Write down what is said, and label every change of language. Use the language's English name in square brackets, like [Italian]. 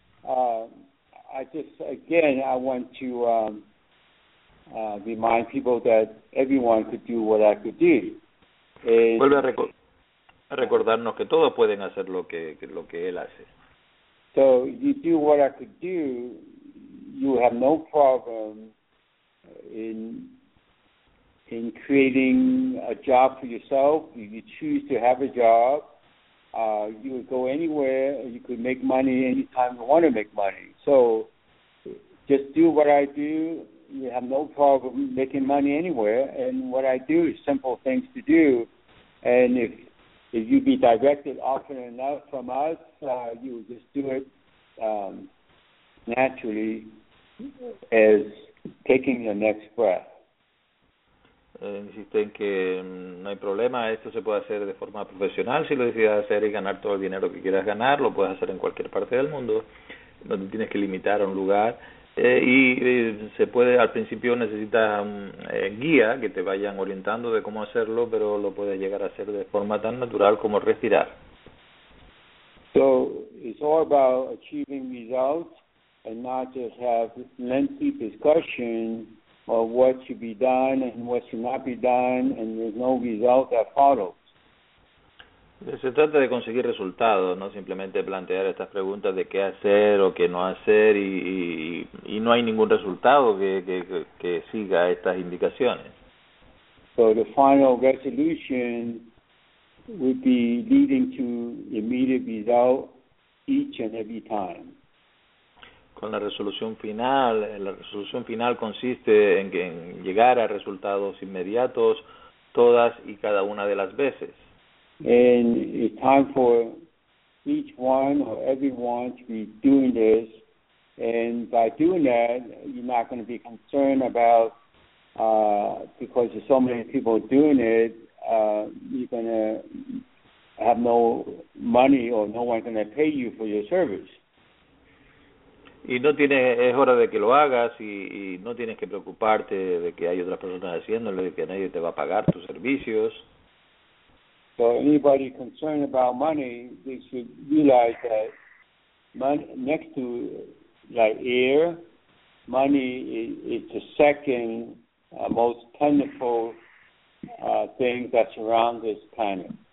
[English] I want to remind people that everyone could do what I could do. [Spanish] Vuelve a recordarnos que todos pueden hacer lo que él hace. [English] So you do what I could do, you have no problem in creating a job for yourself. If you choose to have a job, you would go anywhere, you could make money anytime you want to make money. So just do what I do, you have no problem making money anywhere, and what I do is simple things to do, and if you be directed often enough from us, you would just do it naturally as taking your next breath. [Spanish] Insiste en que no hay problema, esto se puede hacer de forma profesional si lo decides hacer y ganar todo el dinero que quieras ganar, lo puedes hacer en cualquier parte del mundo, no te tienes que limitar a un lugar y se puede, al principio necesitas guía que te vayan orientando de cómo hacerlo, pero lo puedes llegar a hacer de forma tan natural como respirar. [English] So it's all about achieving results and not just have lengthy discussion of what should be done and what should not be done, and there's no result that follows. [Spanish] Se trata de conseguir resultados, no simplemente plantear estas preguntas de qué hacer o qué no hacer y no hay ningún resultado que siga estas indicaciones. [English] So the final resolution would be leading to immediate result each and every time. [Spanish] Con la resolución final consiste en llegar a resultados inmediatos todas y cada una de las veces. [English] And it's time for each one or everyone to be doing this, and by doing that, you're not going to be concerned about because there's so many people doing it, you're going to have no money or no one's going to pay you for your service. [Spanish] Y no tienes, es hora de que lo hagas y no tienes que preocuparte de que hay otras personas haciéndolo y que nadie te va a pagar tus servicios. [English] So anybody concerned about money, they should realize that money, next to like air, money is the second most plentiful thing that's around this planet.